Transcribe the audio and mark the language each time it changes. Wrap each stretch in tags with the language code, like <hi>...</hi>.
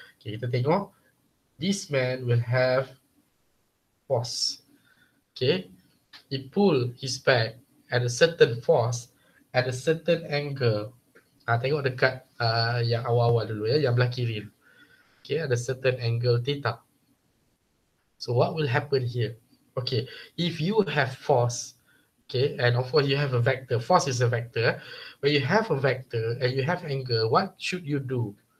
<en>Okay,</en> <ms>kita tengok</ms> <en>this man will have force. Okay, he pull his back at a certain force at a certain angle.</en> <ms>Ah, tengok dekat yang awal-awal dulu ya, yang belah kiri.</ms> <en>Okay, at a certain angle theta. So what will happen here? Okay, if you have force, okay, and of course you have a vector. Force is a vector. When you have a vector and you have angle, what should you do?</en>